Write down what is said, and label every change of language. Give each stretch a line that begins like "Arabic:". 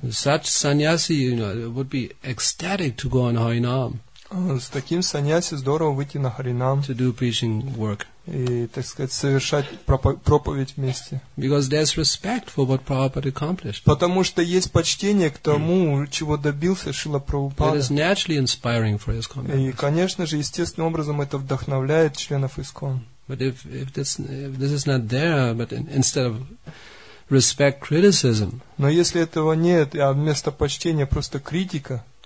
English: Such sannyasi, you know, would be ecstatic to go on Harinam.
Russian: С таким саньяси здорово выйти на Харинам.
English: To do preaching work.
Russian: И, так сказать, совершать проповедь вместе.
English: Because there's respect for what Prabhupada accomplished.
Russian: Потому что есть почтение к тому, чего добился Шрила Прабхупада.
English: It is naturally inspiring for his congregation.
Russian: И, конечно же, естественным образом это вдохновляет членов ИСККОН.
English: But if this is not there, but instead of respect, criticism.
Russian: Но если этого нет, а вместо почтения просто критика.